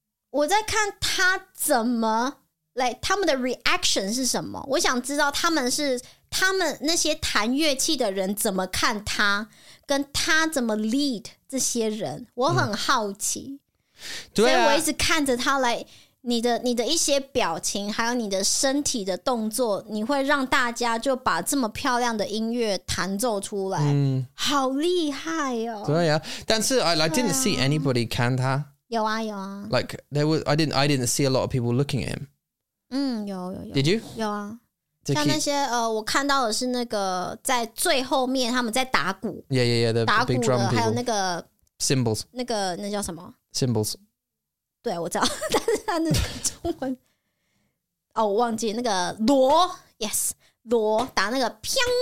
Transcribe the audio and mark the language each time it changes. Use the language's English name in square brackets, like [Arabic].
[Chinese] 我在看他怎么 like, 他们的 reaction 是什么，我想知道他们是他们那些弹乐器的人怎么看他，跟他怎么 lead 这些人，我很好奇，对啊，所以我一直看着他 like, 你的一些表情还有你的身体的动作，你会让大家就把这么漂亮的音乐弹奏出来，嗯，好厉害哦！对啊，但是 [English] I didn't see anybody [Chinese] 看他。有啊有啊。 [English] Like there was, I didn't see a lot of people looking at him. [Chinese] 嗯，有有有。 [English] Did you? [Chinese] 有啊。像那些我看到的是那个在最后面他们在打鼓。 [English] Yeah yeah yeah. The [Chinese] 打鼓的 [English] big drum people. [Chinese] 还有那个 [English] cymbals [Chinese] 那个那叫什么 [English] cymbals？ [Chinese] 对，我知道，但是他那个中文哦，我忘记那个锣 ，yes， 锣打那个砰。